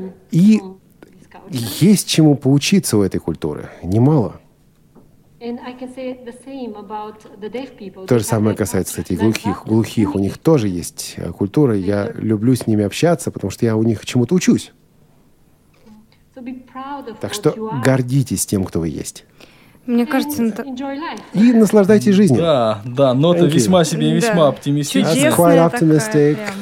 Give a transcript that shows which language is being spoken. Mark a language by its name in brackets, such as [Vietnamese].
[Russian] И есть чему поучиться у этой культуры, немало. [English] And I can say the same about the deaf people. [Russian] То же самое касается, кстати, глухих. Глухих, у них тоже есть культура. Я люблю с ними общаться, потому что я у них чему-то учусь. [English] So be proud of [Russian] так что гордитесь тем, кто вы есть. Мне кажется, это... И наслаждайтесь жизнью. Да, да, нота весьма себе весьма оптимистичная.